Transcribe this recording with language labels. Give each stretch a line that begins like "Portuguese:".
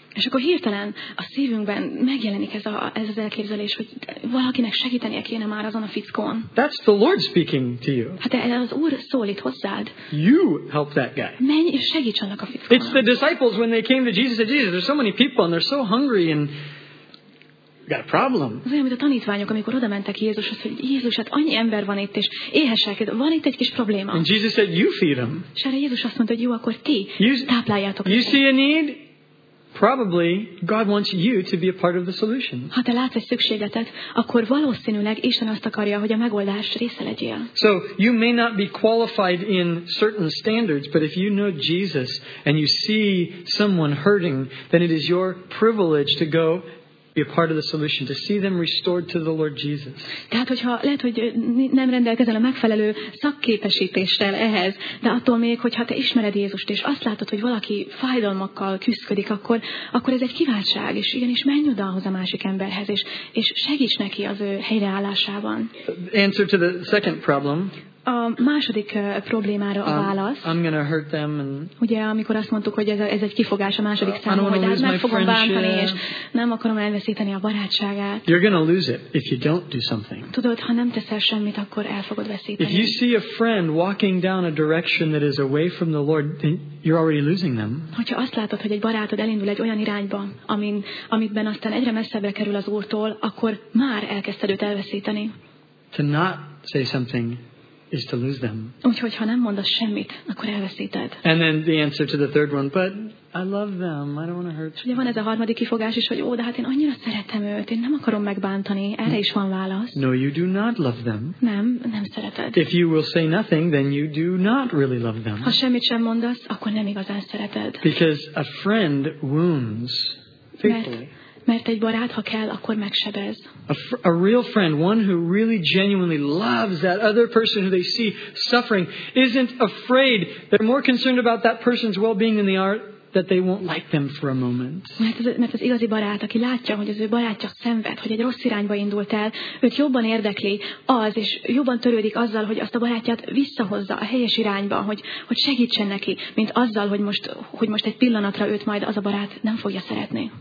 Hungarian: És akkor hirtelen a szívünkben megjelenik ez az elképzelés, hogy valakinek segítenie kéne már azon a fickón.
English: That's the Lord speaking to you.
Hungarian: Hát az Úr szólít hozzád.
English: You help that guy.
Hungarian: Menj és segíts annak a fickónak.
English: It's the disciples when they came to Jesus, said, Jesus, there's so many people and they're so hungry and got a problem.
Hungarian: Olyan, mint a tanítványok, amikor oda mentek Jézushoz, hogy Jézus, hát annyi ember van itt, és éhesek, van itt egy kis probléma.
English: And Jesus said, you feed them.
Hungarian: És erre Jézus azt mondta, hogy jó, akkor ti tápláljátok őket.
English: You see a need? Probably God wants you to be a part of the solution.
Hungarian: Ha te látsz egy szükségletet, akkor valószínűleg Isten azt akarja, hogy a megoldás része legyél.
English: So you may not be qualified in certain standards, but if you know Jesus and you see someone hurting, then it is your privilege to go be a part of the solution, to see them restored to the Lord Jesus.
Hungarian: Tehát, hogyha lehet, hogy nem rendelkezel a megfelelő szakképesítéssel ehhez, de attól még, hogyha te ismered Jézust, és azt látod, hogy valaki fájdalmakkal küszködik, akkor ez egy kiváltság, és igenis menj oda ahhoz a másik emberhez, és segíts neki az ő helyreállásában.
English: Answer to the second problem.
Hungarian: A második problémára a válasz.
English: I'm gonna hurt them and...
Hungarian: Ugye, amikor azt mondtuk, hogy ez egy kifogás a második számú, hogy hát meg fogom bántani, és nem akarom elveszíteni a barátságát.
English: You're gonna lose it if you don't do something.
Hungarian: Tudod, ha nem teszel semmit, akkor el fogod veszíteni.
English: If you see a friend walking down a direction that is away from the Lord, then you're already losing them.
Hungarian: Hogyha azt látod, hogy egy barátod elindul egy olyan irányba, amitben aztán egyre messzebbre kerül az Úrtól, akkor már elkezdted őt elveszíteni.
English: To not say something is to lose them.
Hungarian: Úgyhogy ha nem mondasz semmit, akkor elveszíted.
English: And then the answer to the third one, but I love them. I don't want to hurt.
Hungarian: Ugye van ez a harmadik kifogás is, hogy ó, de hát én annyira szeretem őt, én nem akarom megbántani. Erre is van válasz.
English: No, you do not love them.
Hungarian: Nem, nem szereted.
English: If you will say nothing, then you do not really love them.
Hungarian: Ha semmit sem mondasz, akkor nem igazán szereted.
English: Because a friend wounds faithfully.
Hungarian: Mert egy barát, ha kell, akkor megsebez.
English: A real friend, one who really genuinely loves that other person who they see suffering, isn't afraid. They're more concerned about that person's well-being than they are that they won't like them for a moment.
Hungarian: Mert az igazi barát, aki látja, hogy az ő barátja szenved, hogy egy rossz irányba indult el, őt jobban érdekli az, és jobban törődik azzal, hogy azt a barátját visszahozza a helyes irányba, hogy segítsen neki, mint azzal, hogy most egy pillanatra őt majd az a barát nem fogja szeretni.